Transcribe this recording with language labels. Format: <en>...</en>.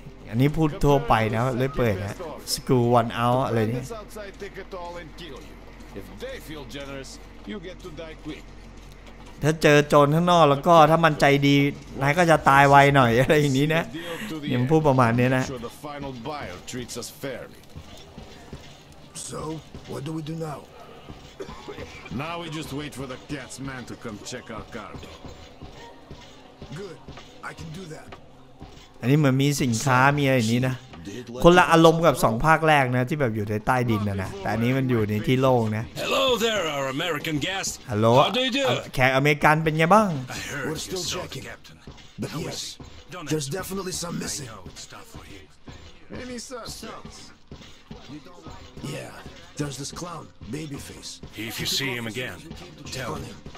<th>อันนี้พูดทั่วไปนะเลยเปิดนะ</th> <en>Screw one out</en> <th>อะไรเนี่ย</th> <en>outside, take it all and kill you. If they feel generous, you get to die quick.</en> <th>ถ้าเจอโจรข้างนอกแล้วก็ถ้ามันใจดีนายก็จะตายไวหน่อยอะไรอย่างนี้นะอย่างพูดประมาณนี้นะ</th> <en>The final buyer treats us fairly. So, what do we do now? Now we just wait for the cat's man to come check our cargo. Good. I can do that.</en> <th>อันนี้เหมือนมีสินค้ามีอะไรอย่างนี้นะคนละอารมณ์กับ2ภาคแรกนะที่แบบอยู่ในใต้ดินนะแต่อันนี้มันอยู่ในที่โล่งนะ</th> <en>Hello there our American guest. Hello.</en> <th>แขกอเมริกันเป็นไงบ้าง</th> <en>We're still checking, Captain. But yes. There's definitely some missing. Any suspects? Yeah. There's this clown, Babyface. If you see him again, tell him.</en>